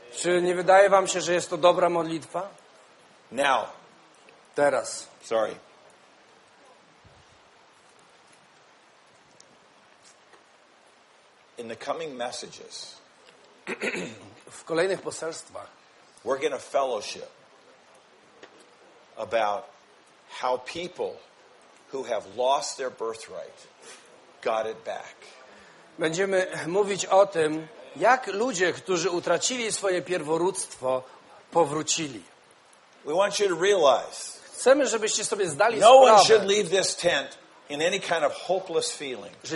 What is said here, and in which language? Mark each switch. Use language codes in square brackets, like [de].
[pl] Czy nie wydaje wam się, że jest to dobra modlitwa? [en] Now. [pl] Teraz. [en] Sorry. In the coming messages, [pl] w kolejnych poselstwach, [en] we're going to fellowship about how people who have lost their birthright got it back. [pl] Będziemy mówić o tym, jak ludzie, którzy utracili swoje pierworództwo, powrócili. [en] We want you to realize. [pl] Chcemy, żebyście sobie zdali [en] no [pl] sprawę. [en] No one should leave this tent in any kind of hopeless feeling.